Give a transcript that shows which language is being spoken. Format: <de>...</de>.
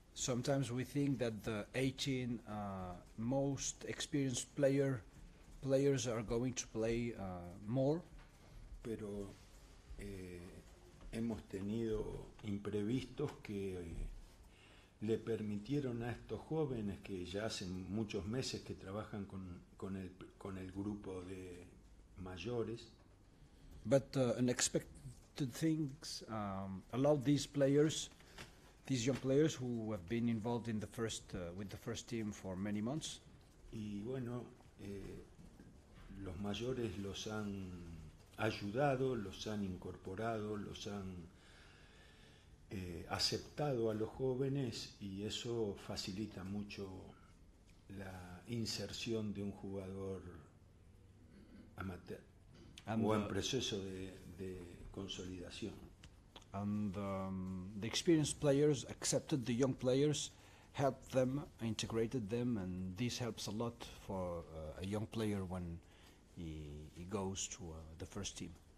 <en>Sometimes we think that the 18 most experienced players are going to play more.</en> <es>Pero hemos tenido imprevistos que le permitieron a estos jóvenes que ya hacen muchos meses que trabajan con el grupo de mayores.</es> <en>But unexpected things allowed these young players who have been involved in the first with the first team for many months.</en> <es>Y bueno, los mayores los han ayudado, los han incorporado, los han aceptado a los jóvenes, y eso facilita mucho la inserción de un jugador amateur o en proceso de consolidación.</es> <en>And the experienced players accepted the young players, helped them, integrated them, and this helps a lot for a young player when he goes to the first team.</en>